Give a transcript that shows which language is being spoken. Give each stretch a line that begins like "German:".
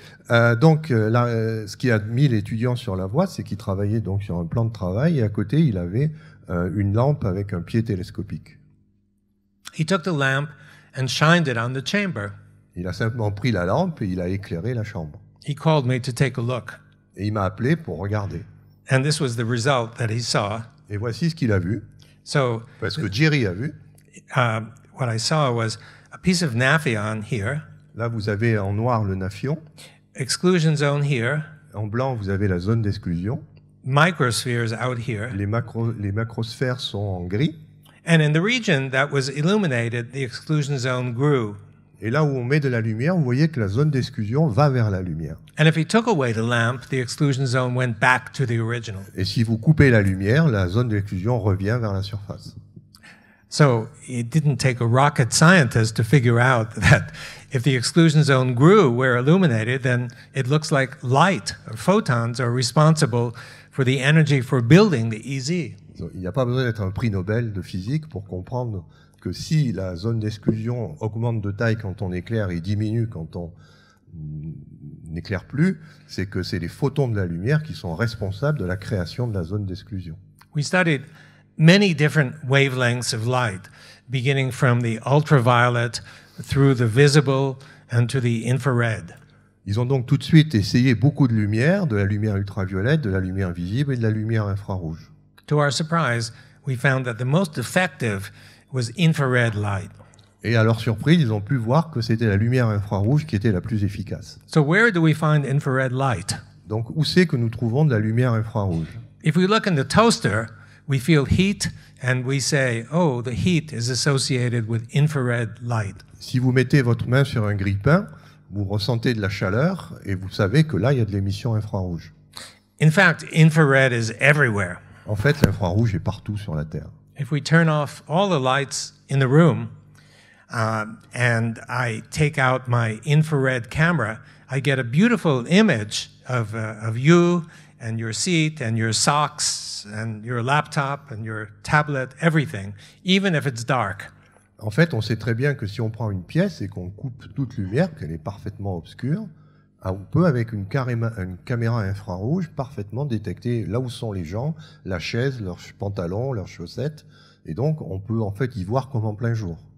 French: Ce qui a mis l'étudiant sur la voie, c'est qu'il travaillait donc sur un plan de travail et à côté, il avait une lampe avec un pied télescopique.
English: He took the lamp and shined it on the chamber.
French: Il a simplement pris la lampe et il a éclairé la chambre.
English: He called me to take a look.
French: Et il m'a appelé pour regarder.
English: And this was the result that he saw.
French: Et voici ce qu'il a vu.
English: So,
French: parce que Jerry a vu.
English: What I saw was a piece of naphion here.
French: Là, vous avez en noir le naphion.
English: Exclusion zone here.
French: En blanc, vous avez la zone d'exclusion.
English: Microspheres out here.
French: Les macrosphères sont en gris.
English: And in the region that was illuminated, the exclusion zone grew.
French: Et là où on met de la lumière, vous voyez que la zone d'exclusion va vers la lumière.
English: And if he took away the lamp, the exclusion zone went back to the original.
French: Et si vous coupez la lumière, la zone d'exclusion revient vers la surface.
English: So it didn't take a rocket scientist to figure out that if the exclusion zone grew where illuminated, then it looks like light or photons are responsible for the energy for building the EZ.
French: So, il n'y a pas besoin d'être un prix Nobel de physique pour comprendre que si la zone d'exclusion augmente de taille quand on éclaire et diminue quand on n'éclaire plus, c'est que c'est les photons de la lumière qui sont responsables de la création de la zone d'exclusion.
English: We studied many different wavelengths of light, beginning from the ultraviolet through the visible and to the infrared.
French: Ils ont donc tout de suite essayé beaucoup de lumière, de la lumière ultraviolette, de la lumière visible et de la lumière infrarouge.
English: To our surprise, we found that the most effective was infrared light.
French: Et à leur surprise, ils ont pu voir que c'était la lumière infrarouge qui était la plus efficace.
English: So where do we find infrared light?
French: Donc où c'est que nous trouvons de la lumière infrarouge?
English: If we look in the toaster, we feel heat and we say, oh, the heat is associated with infrared light.
French: Si vous mettez votre main sur un grille-pain, vous ressentez de la chaleur et vous savez que là, il y a de l'émission infrarouge.
English: In fact, infrared is everywhere.
French: En fait, l'infrarouge est partout sur la Terre.
English: If we turn off all the lights in the room and I take out my infrared camera, I get a beautiful image of you and your seat and your socks and your laptop and your tablet, everything, even if it's dark.
French: En fait, on sait très bien que si on prend une pièce et qu'on coupe toute lumière, qu'elle est parfaitement obscure, on peut, avec une caméra infrarouge, parfaitement détecter là où sont les gens, la chaise, leurs pantalons, leurs chaussettes. Et donc, on peut en fait y voir comme en plein jour.